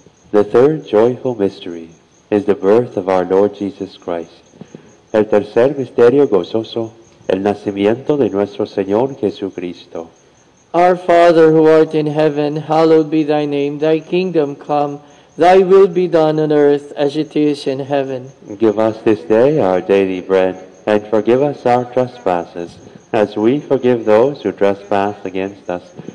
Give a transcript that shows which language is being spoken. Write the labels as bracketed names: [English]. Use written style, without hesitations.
[English] The third joyful mystery is the birth of our Lord Jesus Christ. [Spanish] El tercer misterio gozoso, el nacimiento de nuestro Señor Jesucristo. [English] Our Father who art in heaven, hallowed be thy name. Thy kingdom come, thy will be done on earth as it is in heaven. Give us this day our daily bread, and forgive us our trespasses, as we forgive those who trespass against us.